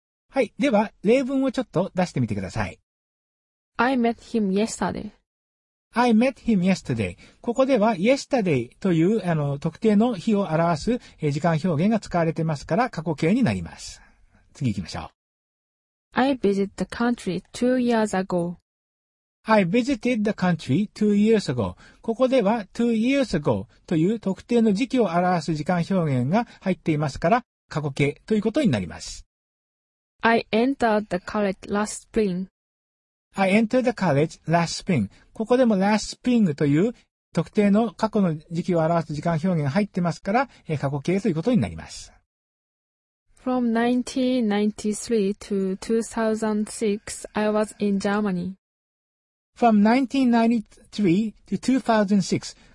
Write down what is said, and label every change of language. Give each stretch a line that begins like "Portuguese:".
Japanese: はい、では例文をちょっと出してみてください。
English: I met him yesterday. I met him yesterday.
Japanese: ここでは yesterday という特定の日を表す時間表現が使われてますから過去形になります。次行きましょう。
English: I visited the country 2 years ago. I visited the country 2 years ago.
Japanese: ここでは
English: 2 years ago
Japanese: という特定の時期を表す時間表現が入っていますから過去形ということになります。
English: I entered the college last spring. I entered the college last spring.
Japanese: ここでも
English: last spring
Japanese: という特定の過去の時期を表す時間表現が入っていますから過去形ということになります。
English: From 1993 to 2006, I was in Germany. From 1993 to 2006.